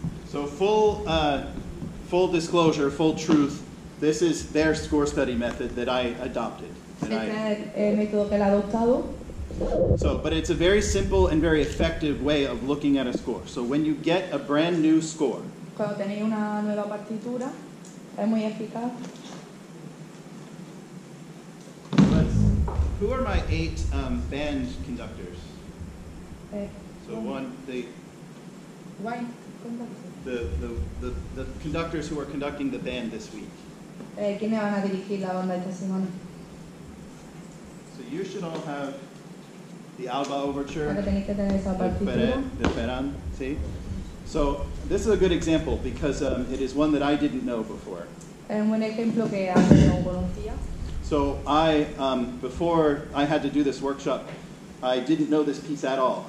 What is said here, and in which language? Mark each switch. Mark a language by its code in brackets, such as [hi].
[en] Full disclosure, full truth, this is their score study method that I adopted. So, but it's a very simple and very effective way of looking at a score. So when you get a brand new score, [es] cuando tenéis una nueva partitura, es muy eficaz. [en] Who are my eight band conductors? So one, the... Why conductor? The conductors who are conducting the band this week. [es] ¿Quiénes van a dirigir la banda esta semana? [en] So you should all have the Alba Overture, the [es] Verano, sí? [en] So this is a good example because it is one that I didn't know before. [es] Un buen ejemplo que antes no conocía. [en] So I, before I had to do this workshop, I didn't know this piece at all.